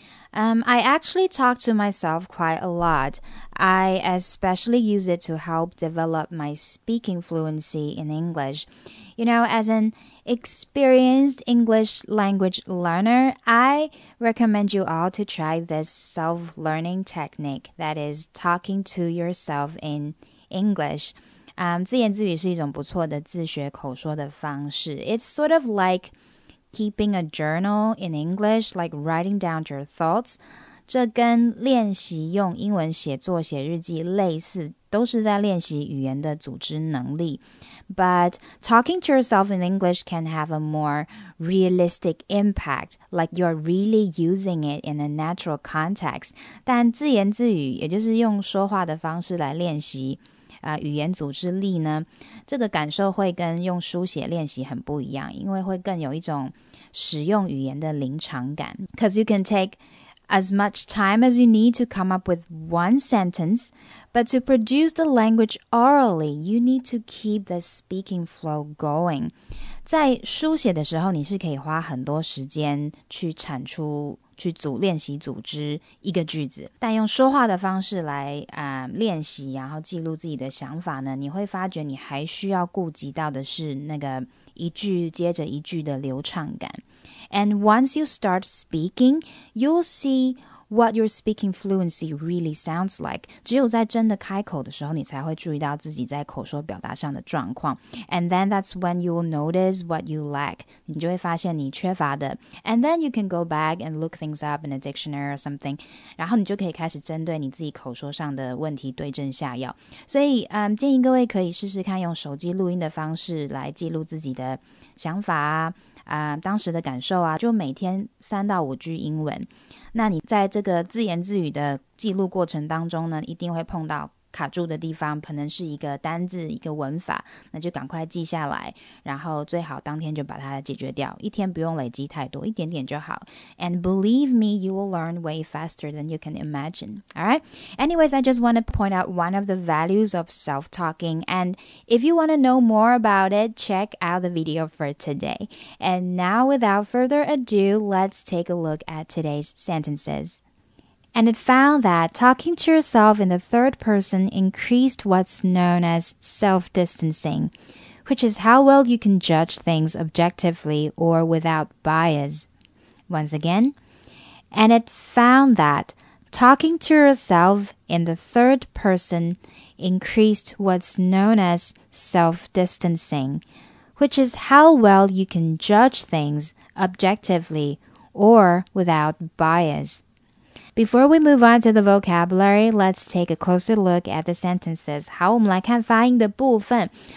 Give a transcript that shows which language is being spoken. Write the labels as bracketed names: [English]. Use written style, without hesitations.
[English] I actually talk to myself quite a lot. I especially use it to help develop my speaking fluency in English. You know, as an experienced English language learner, I recommend you all to try this self-learning technique, that is, talking to yourself in English. [Chinese] 自言自语是一种不错的自学口说的方式。 [English] It's sort of like keeping a journal in English, like writing down your thoughts. [Chinese] 这跟练习用英文写作写日记类似，都是在练习语言的组织能力。 [English] But talking to yourself in English can have a more realistic impact, like you're really using it in a natural context. [Chinese] 但自言自语，也就是用说话的方式来练习语言组织力呢，这个感受会跟用书写练习很不一样，因为会更有一种使用语言的临场感。 [English] Because you can take as much time as you need to come up with one sentence, but to produce the language orally, you need to keep the speaking flow going. [Chinese] 在书写的时候，你是可以花很多时间去产出去组练习组织一个句子，但用说话的方式来练习，然后记录自己的想法呢，你会发觉你还需要顾及到的是那个一句接着一句的流畅感。 [English] And once you start speaking, you'll see what your speaking fluency really sounds like. [Chinese] 只有在真的开口的时候，你才会注意到自己在口说表达上的状况。 [English] And then that's when you'll notice what you lack. [Chinese] 你就会发现你缺乏的。 [English] And then you can go back and look things up in a dictionary or something. [Chinese] 然后你就可以开始针对你自己口说上的问题对症下药。所以建议各位可以试试看用手机录音的方式来记录自己的想法啊，当时的感受啊，就每天3到5句英文。那你在这个自言自语的记录过程当中呢，一定会碰到卡住的地方，可能是一个单字、一个文法，那就赶快记下来，然后最好当天就把它解决掉，一天不用累积太多，一点点就好。 [English] And believe me, you will learn way faster than you can imagine. Alright? Anyways, I just want to point out one of the values of self-talking, and if you want to know more about it, check out the video for today. And now, without further ado, let's take a look at today's sentences. And it found that talking to yourself in the third person increased what's known as self-distancing, which is how well you can judge things objectively or without bias. Once again, and it found that talking to yourself in the third person increased what's known as self-distancing, which is how well you can judge things objectively or without bias. Before we move on to the vocabulary, let's take a closer look at the sentences. [Chinese] 好，我们来看发音的部分。